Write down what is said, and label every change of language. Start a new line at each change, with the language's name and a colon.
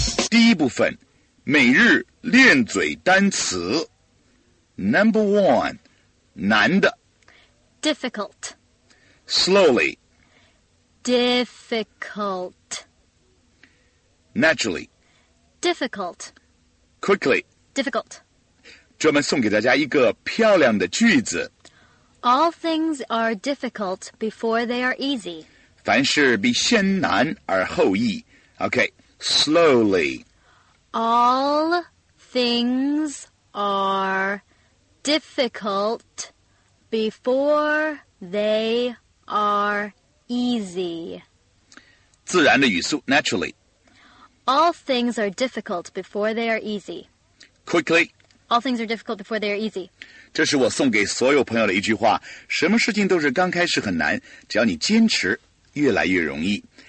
Chinese: 第一部分，每日练嘴单词 Number one，难的
English: difficult slowly difficult naturally difficult quickly difficult。
Chinese: 专门送给大家一个漂亮的句子，
English: All things are difficult before they are easy，
Chinese: 凡事必先难而后易。 OK， slowly，
English: All things are difficultBefore they are easy. 自然的语速 naturally. All things are difficult before they are easy. Quickly. All things are difficult before they are easy.
Chinese: 这是我送给所有朋友的一句话，什么事情都是刚开始很难，只要你坚持，越来越容易。